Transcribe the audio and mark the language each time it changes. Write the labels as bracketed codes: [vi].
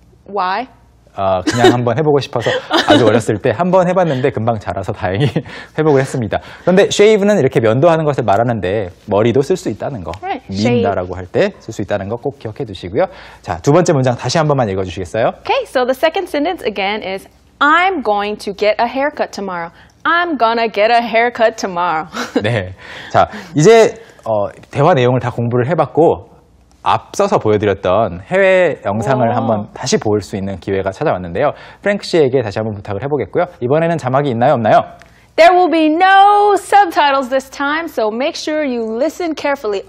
[en] Why? [ko] 그냥 한번 해보고 싶어서 아주 어렸을 때 한번 해봤는데 금방 자라서 다행히 회복을 했습니다. 그런데 shave는 이렇게 면도하는 것을 말하는데 머리도 쓸 수 있다는 거 민다라고 할 때 쓸 수 있다는 거 꼭 기억해 두시고요. 자, 두 번째 문장 다시 한 번만 읽어주시겠어요? [en] Okay, so the second sentence again is I'm going to get a haircut tomorrow. I'm gonna get a haircut tomorrow. [ko] 네, 자 이제 대화 내용을 다 공부를 해봤고 앞서서 보여드렸던 해외 영상을 오. 한번 다시 볼 수 있는 기회가 찾아왔는데요. 프랭크 씨에게 다시 한번 부탁을 해보겠고요. 이번에는 자막이 있나요, 없나요? [en] There will be no subtitles this time, so make sure you listen carefully.